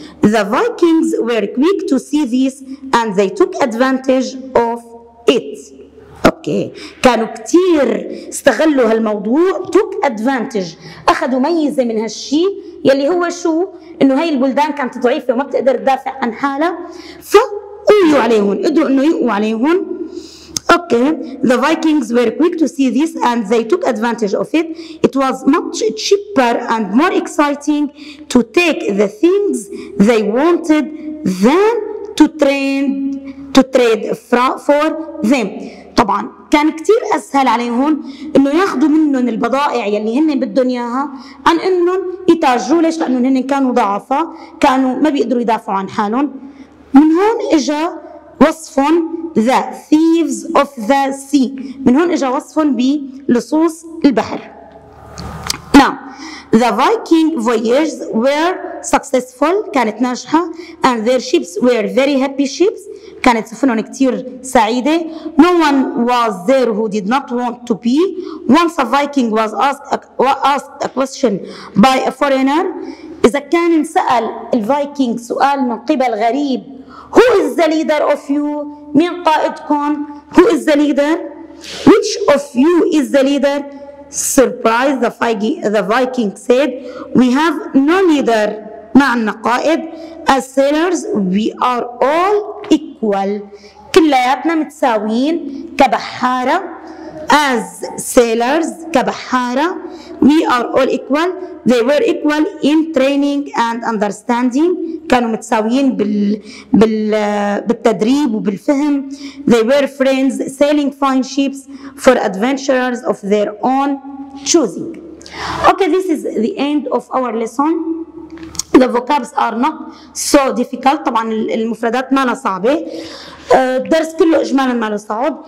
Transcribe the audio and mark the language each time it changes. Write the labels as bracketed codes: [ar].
[en] The Vikings were quick to see this and they took advantage of it. Okay. [ar] كانوا كتير استغلوا هالموضوع, [en] took advantage, [ar] اخذوا ميزة من هالشي يلي هو شو, انه هاي البلدان كانت ضعيفة وما بتقدر تدافع عن حالها, فقوموا عليهم, قدروا انه يقوا عليهم. [en] Okay, the Vikings were quick to see this and they took advantage of it. It was much cheaper and more exciting to take the things they wanted than to trade for them. [ar] طبعا كان كتير اسهل عليهم انه ياخذوا منهم البضائع يلي هن بدهم اياها عن انهم يتاجروا. ليش؟ لانه هن كانوا ضعفاء, كانوا ما بيقدروا يدافعوا عن حالهم. من هون اجا وصفهم [en] the thieves of the sea, [ar] من هون اجا وصفهم بلصوص البحر. [en] Now the Viking voyages were successful, [ar] كانت ناجحة, [en] and their ships were very happy ships, [ar] كانت سفنهم كتير سعيدة. [en] No one was there who did not want to be. Once a Viking was asked a question by a foreigner, [ar] إذا كان سأل الفايكينج سؤال من قبل غريب, [en] Who is the leader of you? [ar] مين قائدكم؟ [en] Who is the leader? Which of you is the leader? Surprise, the Viking said, We have no leader. [ar] ما عندنا قائد. [en] As sailors, we are all equal. [ar] كلياتنا متساويين كبحارة. [en] As sailors, [ar] كبحارة, [en] we are all equal. They were equal in training and understanding. [ar] كانوا متساويين بالتدريب وبالفهم. [en] They were friends sailing fine ships for adventurers of their own choosing. Okay, this is the end of our lesson. The vocabs are not so difficult. [ar] طبعا المفردات ما لها صعبة. الدرس كله اجمالا ما له صعب.